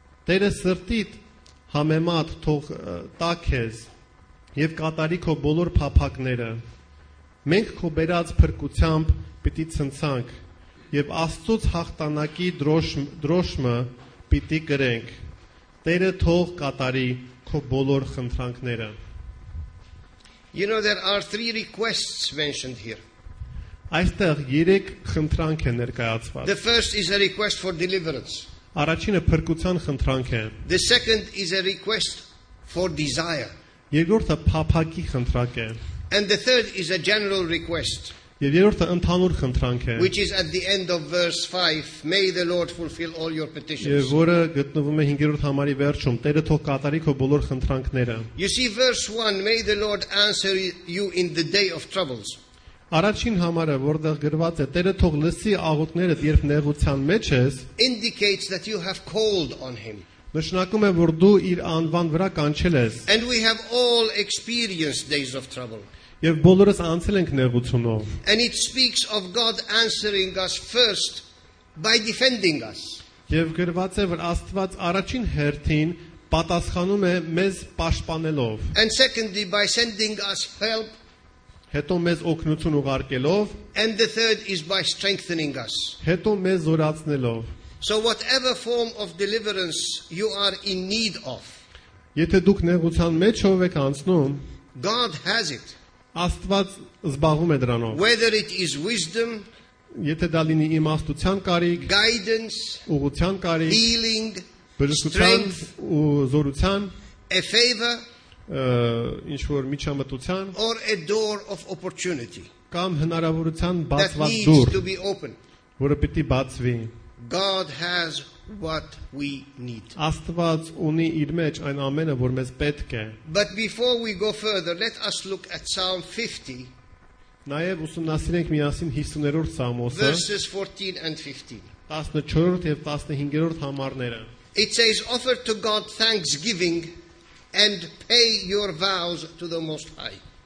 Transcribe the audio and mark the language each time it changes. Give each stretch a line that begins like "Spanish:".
Armenian: Տերը սրտիդ համեմատ թող տա քեզ եւ կատարի քո բոլոր փափակները. Մենք քո բերած փրկությամբ պիտի ցնցանք եւ Աստծոց հաղթանակի դրոշմը պիտի կրենք. Տերը թող կատարի քո բոլոր խնդրանքները.
English: You know there are three requests mentioned here.
Armenian: Այստեղ 3 խնդրանք է ներկայացված.
English: The first is a request for deliverance.
Armenian: Առաջինը փրկության խնդրանք է.
English: The second is a request for desire.
Armenian: Երկրորդը փափակի խնդրանք է.
English: And the third is a general request.
Armenian: Եվ երրորդը ընդհանուր խնդրանք է.
English: Which is at the end of verse 5, may the Lord fulfill all your petitions.
Armenian: Եվ որը գտնվում է 5-րդ համարի վերջում, Տերը թող կատարի քո բոլոր խնդրանքները.
English: You see verse 1, may the Lord answer you in the day of troubles.
Armenian: Առաջին համարը, որտեղ գրված է, Տերը թող լսի աղոթքներդ, երբ նեղության մեջ ես,
English: indicates that you have called on him.
Armenian: Նշանակում է, որ դու իր անվան վրա կանչել ես.
English: And we have all experienced days of trouble.
Armenian: Եվ բոլորս անցել ենք նեղությունով։
English: And it speaks of God answering us first by defending us.
Armenian: Եվ գրված է, որ Աստված առաջին հերթին պատասխանում է մեզ պաշտպանելով։
English: And secondly by sending us help.
Armenian: Հետո մեզ օգնություն ուղարկելով։
English: And the third is by strengthening us.
Armenian: Հետո մեզ զորացնելով։
English: So whatever form of deliverance you are in need of.
Armenian: Եթե դուք նեղության մեջ ով եք անցնում,
English: God has it.
Armenian: Աստված զբաղվում է դրանով։
English: Whether it is wisdom,
Armenian: եթե դա լինի իմաստության կարիք,
English: guidance,
Armenian: ուղղության կարիք,
English: healing,
Armenian: բժշկության ու զորության,
English: a favor,
Armenian: ինչ որ միջամտության,
English: or a door of opportunity,
Armenian: կամ հնարավորության բացված դուռ,
English: to be open,
Armenian: որը պիտի բացվի։
English: God has what we need.
Armenian: Աստված ունի իր մեջ այն ամենը, որ մեզ պետք է.
English: But before we go further, let us look at Psalm 50.
Armenian: Նաև ուսումնասիրենք միասին 50-րդ ծամոսը.
English: Verses 14 and 15.
Armenian: 14-րդ եւ 15-րդ համարները.
English: It says, offer to God thanksgiving and pay your vows to the Most High.